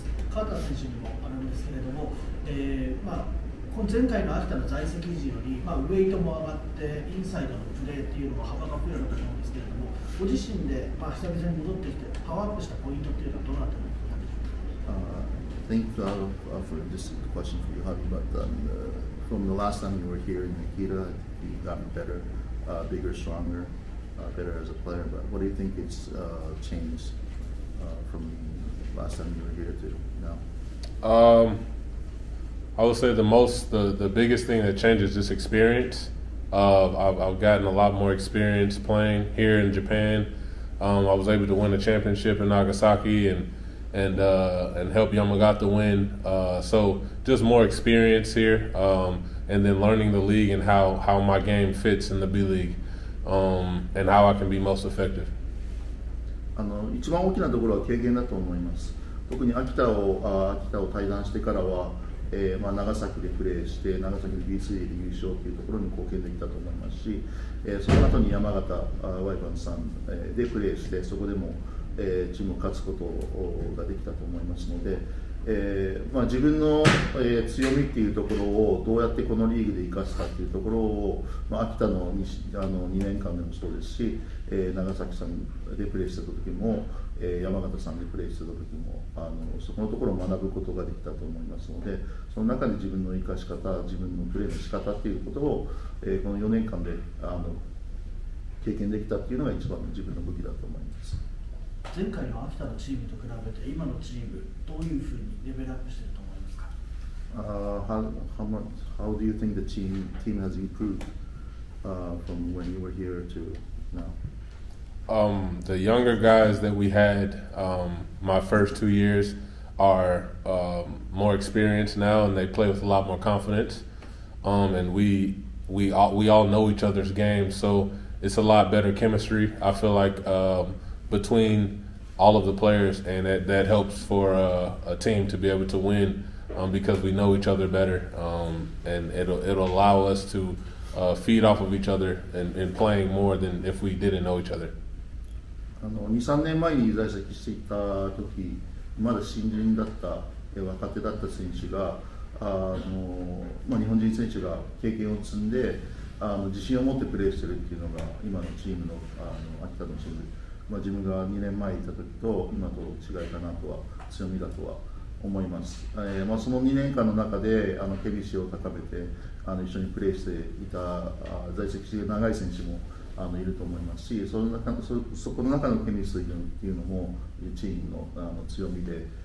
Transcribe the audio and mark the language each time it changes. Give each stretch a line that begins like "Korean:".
Japanese: 川田選手にもあるんですけれども、まあ、前回の秋田の在籍時より、まあ、ウェイトも上がってインサイドのプレーというのも幅が増えると思うんですけれども、ご自身で、まあ、久々に戻ってきてパワーアップしたポイントというのはどうなったんですか？
English: Thank you for this question for you, Harvey, but from the last time you were here in Akita, you've gotten better, bigger, stronger, better as a player, but what do you think it's changed from last time you were here to now? I would say the biggest thing that changed is just experience. I've gotten a lot more experience playing here in Japan. I was able to win a championship in Nagasaki and help Yamagata win. So just more experience here, and then learning the league and how my game fits in the B League, and how I can be most effective.
Japanese: 一番大きなところは経験だと思います。特に秋田を退団してからは、まあ、長崎でプレーして長崎の B3 で優勝というところに貢献できたと思いますし、その後に山形ワイパンさんでプレーしてそこでもチームを勝つことができたと思いますので、まあ、自分の強みっていうところをどうやってこのリーグで生かすかっていうところを、まあ、秋田の 2年間でもそうですし、長崎さんでプレーしてた時も、山形さんでプレーしてた時もそこのところを学ぶことができたと思いますので、その中で自分の生かし方、自分のプレーの仕方っていうことを、この4年間で経験できたっていうのが一番の自分の武器だと思います。前回の秋田のチームと比べて今のチームどういうふうにレベルアップしてると思いますか？
English: How do you think the team has improved、from when you were here to now? The younger guys that we had my first 2 years are more experienced now, and they play with a lot more confidence. And we all know each other's games, so it's a lot better chemistry, I feel like, between all of the players, and that helps for a team to be able to win because we know each other better. And it'll allow us to feed off of each other and playing more than if we didn't know each other.
Japanese: 2、3年前に在籍していた時、まだ新人だった若手だった選手が日本人選手が経験を積んで自信を持ってプレーしているというのが今のチームの秋田のチーム、自分が2年前にいた時と今と違いかなとは、強みだとは思います、その2年間の中でケビシを高めて一緒にプレーしていた在籍している長い選手もいると思いますし、そこの中のケミストリーっていうのもチームの強みで、